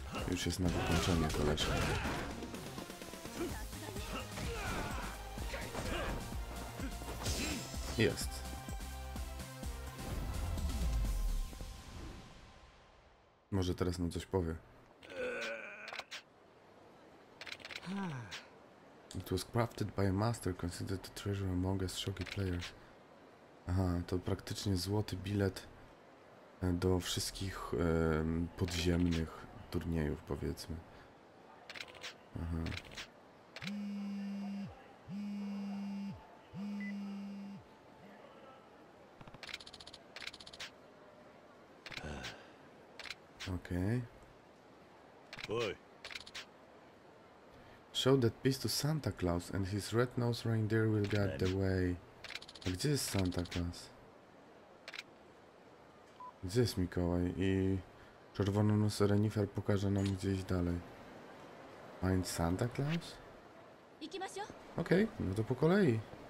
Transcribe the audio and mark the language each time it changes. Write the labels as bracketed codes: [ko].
[pl] Już jest na wykończenie koleżka. Jest. Może teraz nam coś powie. [en] It was crafted by a master considered the treasure among us shogi players. [pl] Aha, to praktycznie złoty bilet do wszystkich podziemnych turniejów, powiedzmy. Aha. Okej. Okay. [en] Show that piece to Santa Claus and his red-nosed reindeer will guide the way. [pl] A gdzie jest Santa Claus? Gdzie jest Mikołaj? I czerwony nos renifer pokaże nam gdzieś dalej. [en] Find Santa Claus? [pl] Okej, no to po kolei.